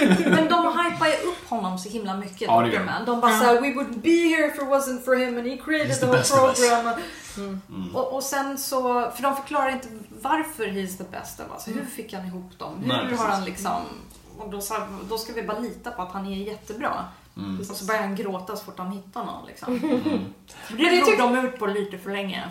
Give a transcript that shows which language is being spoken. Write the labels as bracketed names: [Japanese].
[Swedish] Men de hypade upp honom så himla mycket. Ja, det gör. De bara sa, [English] we would be here if it wasn't for him, and he created the whole program. [Swedish] Och sen så, för de förklarar inte varför [English] he's the best of us. [Swedish] Hur fick han ihop dem? Har han liksom, och då, så här, då ska vi bara lita på att han är jättebra. Mm. Och så börjar han gråta så fort han hittar någon liksom. Det drog de ut på lite för länge.